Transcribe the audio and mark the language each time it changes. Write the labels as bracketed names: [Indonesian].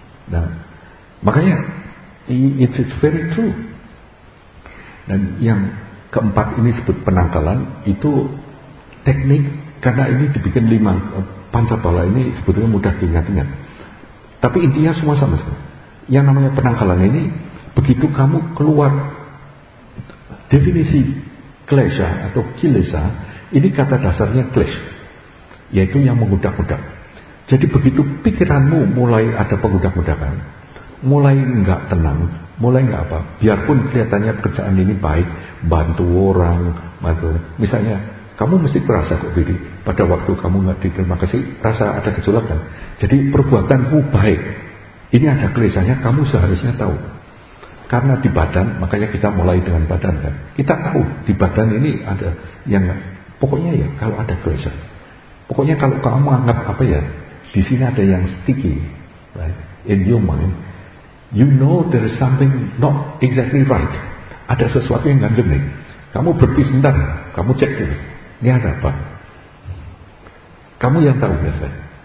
[Indonesian] Nah, makanya [English] it's very true. [Indonesian] Dan yang keempat ini sebut penangkalan, itu teknik, karena ini dibikin lima pancabala ini sebetulnya mudah diingat-ingat. Tapi intinya semua sama sekali. Yang namanya penangkalan ini, begitu kamu keluar definisi klesha atau kilesa, ini kata dasarnya klesh, yaitu yang mengudak-udak. Jadi begitu pikiranmu mulai ada pengudak-udakan, mulai enggak tenang, mulai enggak apa, biarpun kelihatannya pekerjaan ini baik, bantu orang, misalnya kamu mesti merasa kok diri pada waktu kamu enggak diterima kasih, rasa ada gejolak kan? Jadi perbuatanmu baik, ini ada kelesanya, kamu seharusnya tahu. Karena di badan, makanya kita mulai dengan badan kan. Kita tahu di badan ini ada yang, pokoknya ya kalau ada kelesa, pokoknya kalau kamu anggap apa ya, di sini ada yang sticky, right? [English] In your mind, you know there is something not exactly right. [Indonesian] Ada sesuatu yang ganjil nih. Kamu berpikir sebentar, kamu cek dulu. Ini ada apa? Kamu yang tahu biasanya.